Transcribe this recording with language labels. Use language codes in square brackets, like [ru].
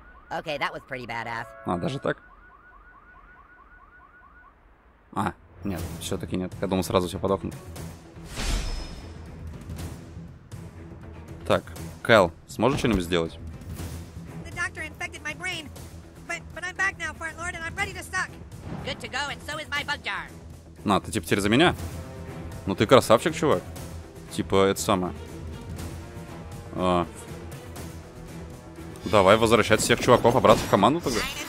[en] Okay, that was pretty badass. [ru] А, даже так? А, нет, все-таки нет. Я думал, сразу все подохнут. Так, Кайл, сможешь что-нибудь сделать? [en] The doctor infected my brain. But I'm back now, Fart Lord, and I'm ready to suck. Good to go, and so is my bug jar. [ru] Ну, а ты типа теперь за меня? Ну ты красавчик, чувак. Типа, это самое. А. Давай возвращать всех чуваков обратно в команду тогда.